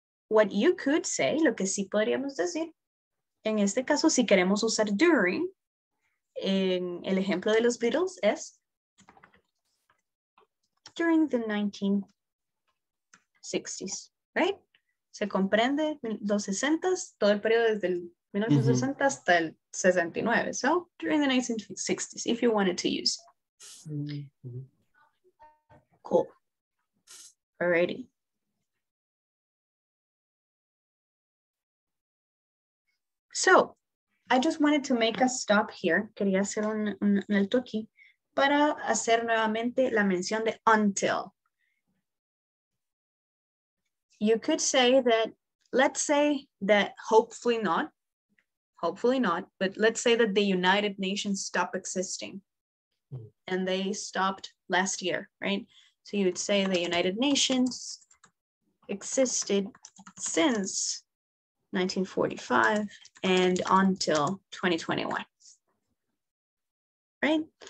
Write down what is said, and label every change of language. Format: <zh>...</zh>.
<en>What you could say,</en> <es>lo que sí podríamos decir, en este caso, si queremos usar during, en el ejemplo de los Beatles es</es> <en>during the 1960s, right?</en> <es>Se comprende los 60s, todo el periodo desde el 1960 mm-hmm. hasta el 69.</es> <en>So, during the 1960s, if you wanted to use. Mm-hmm. Cool. Alrighty. So, I just wanted to make a stop here.</en> <es>Quería hacer un alto aquí para hacer nuevamente la mención de until.</es> <en>You could say that, let's say that hopefully not, but let's say that the United Nations stop existing and they stopped last year, right? So you would say the United Nations existed since 1945 and until 2021, right?</en>